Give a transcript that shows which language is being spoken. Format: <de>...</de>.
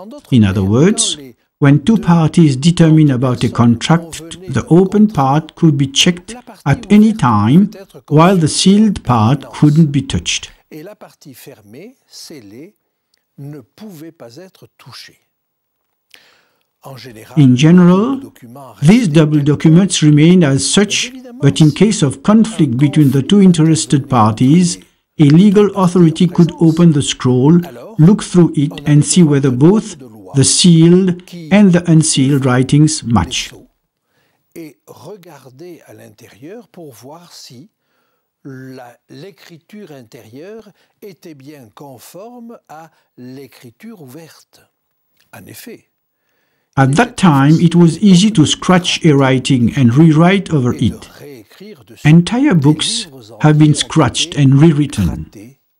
<en>In other words, when two parties determine about a contract, the open part could be checked at any time, while the sealed part couldn't be touched.</en> <fr>Et la partie fermée, scellée, ne pouvait pas être touchée.</fr> <en>In general, these double documents remained as such, but in case of conflict between the two interested parties, a legal authority could open the scroll, look through it, and see whether both the sealed and the unsealed writings match.</en> <fr>Et regarder à l'intérieur pour voir si l'écriture intérieure était bien conforme à l'écriture ouverte. En effet,</fr> <en>At that time, it was easy to scratch a writing and rewrite over it. Entire books have been scratched and rewritten.</en>